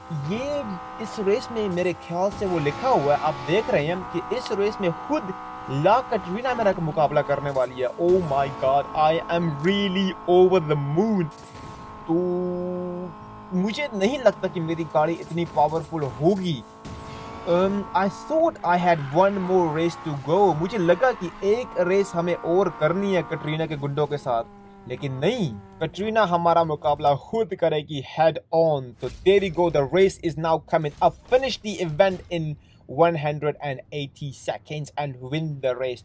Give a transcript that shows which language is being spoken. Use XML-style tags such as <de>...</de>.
<hi>ये इस रेस में मेरे ख्याल से वो लिखा हुआ है, आप देख रहे हैं कि इस रेस में खुद ला कैटरीना मेरा मुकाबला करने वाली है।</hi> <en>Oh my God, I am really over the moon.</en> <hi>तो मुझे नहीं लगता कि मेरी गाड़ी इतनी पावरफुल होगी।</hi> <en>I thought I had one more race to go.</en> <hi>मुझे लगा कि एक रेस हमें और करनी है कैटरीना के गुंडों के साथ, लेकिन नहीं, कैटरीना हमारा मुकाबला खुद करेगी हेड ऑन।</hi> <en>तो there we go, the race is now coming up, finish the event in 180 seconds and win the race.</en>